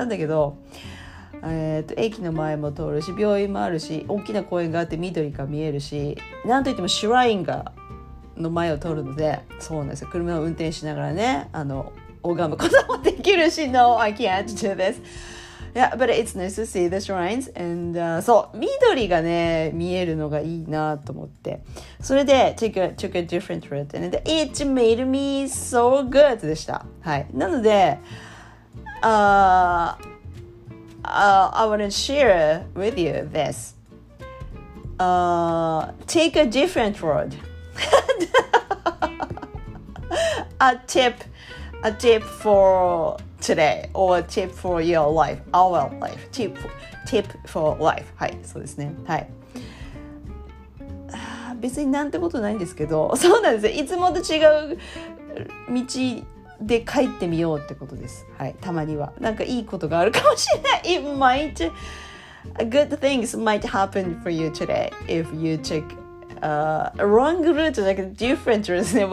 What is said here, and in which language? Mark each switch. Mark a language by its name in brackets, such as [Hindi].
[Japanese] なんだけど、駅の前も通るし、病院もあるし、大きな公園があって緑が見えるし、なんといってもシュラインがの前を通るので、そうなんですよ、車を運転しながらね、あの拝むこともできるし、 [English] No, I can't do this. Yeah, but it's nice to see the shrines. And [Japanese] そう、緑がね見えるのがいいなと思って、それで [English] took a different route and it made me so good [Japanese] でした。はい、なので、 [English] I want to share with you this. Take a different road. a tip for today, or a tip for your life, our life. Tip for life. はい、そうですね。はい。 [Japanese] 別になんてことないんですけど、そうなんですよ。いつもと違う道で帰ってみようってことです。はい、たまにはなんかいいことがあるかもしれない。 [English] It might good things might happen for you today if you took a wrong route, like a different route [Japanese] ですね。